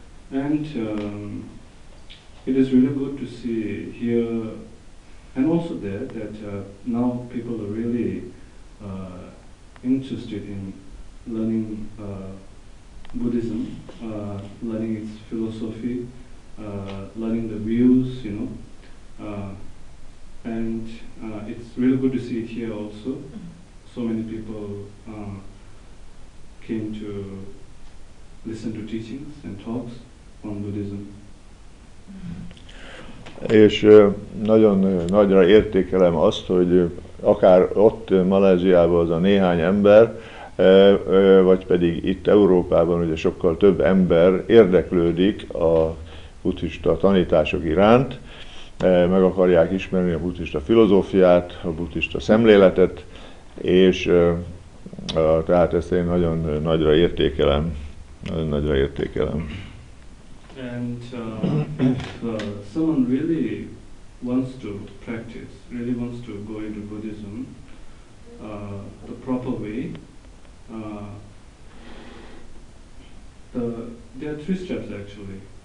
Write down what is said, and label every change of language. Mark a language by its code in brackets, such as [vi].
[en] And it is really good to see here, and also there, that now people are really interested in learning Buddhism, learning its philosophy, learning the views, you know, and it's really good to see it here also. So many people came to listen to teachings and talks on Buddhism. [hu] És nagyon nagyra értékelem azt, hogy akár ott Maláziában az a néhány ember, vagy pedig itt Európában ugye sokkal több ember érdeklődik a buddhista tanítások iránt, meg akarják ismerni a buddhista filozófiát, a buddhista szemléletet, és tehát ezt én nagyon nagyra értékelem. Nagyon nagyra értékelem. [en] And if someone really wants to practice, really wants to go into Buddhism the proper way, there are three steps actually.